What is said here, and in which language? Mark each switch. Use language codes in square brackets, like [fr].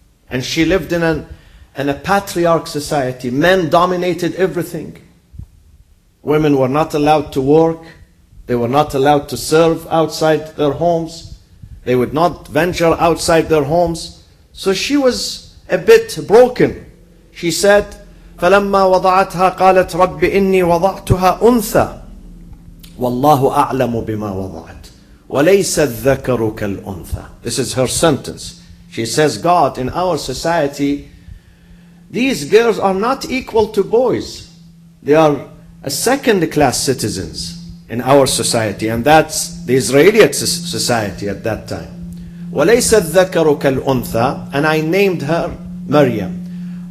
[en] And she lived in a patriarch society. Men dominated everything. Women were not allowed to work. They were not allowed to serve outside their homes. They would not venture outside their homes. So she was a bit broken. She said, [ar] فَلَمَّا وَضَعَتْهَا قَالَتْ رَبِّ إِنِّي وَضَعْتُهَا أُنْثَى وَاللَّهُ أَعْلَمُ بِمَا وَضَعَتْ وَلَيْسَ الذَّكَرُ كَالْأُنْثَى. [en] This is her sentence. She says, God, in our society, these girls are not equal to boys. They are a second-class citizens in our society, and that's the Israeli society at that time. [ar] وَلَيْسَ الذَّكَرُ كَالْأُنْثَى. [en] And I named her Maryam.